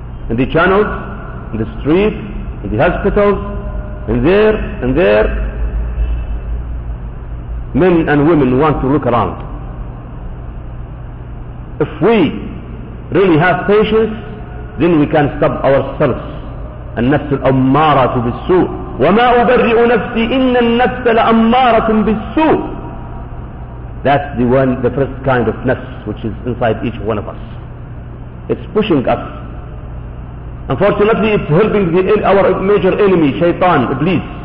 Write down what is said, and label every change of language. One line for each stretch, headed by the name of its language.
English: In the channels, in the street, in the hospitals, in there, and there. Men and women want to look around. If we really have patience, then we can stop ourselves.
Arabic: النفس الأمارة بالسوء. وما أبرئ نفسي إن النفس لأمارة بالسوء.
English: That's the first kind of nafs which is inside each one of us. It's pushing us. Unfortunately, it's helping our major enemy, Shaitan, Iblis.